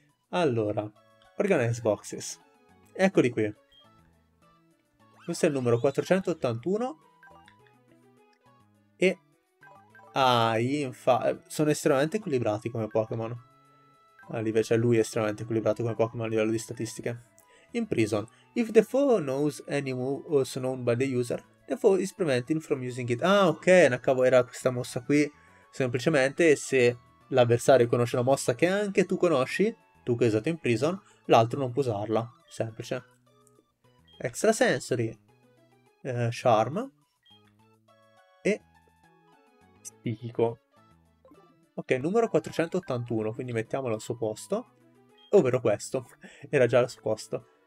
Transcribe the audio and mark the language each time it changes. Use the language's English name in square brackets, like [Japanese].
[Italian] Allora, [English] organize boxes. [Italian] Eccoli qui. Questo è il numero 481. E ah, sono estremamente equilibrati come Pokémon. Cioè lui è estremamente equilibrato come Pokémon a livello di statistiche. [English] In prison. If the foe knows any move also known by the user, the foe is prevented from using it. [Italian] Ah, ok, una cavolera questa mossa qui. Semplicemente se l'avversario conosce una mossa che anche tu conosci, tu che hai usato in prison, l'altro non può usarla. Semplice. Extrasensory. Charm. E psichico. Ok, numero 481, quindi mettiamolo al suo posto. Ovvero questo. Era già l'esposto.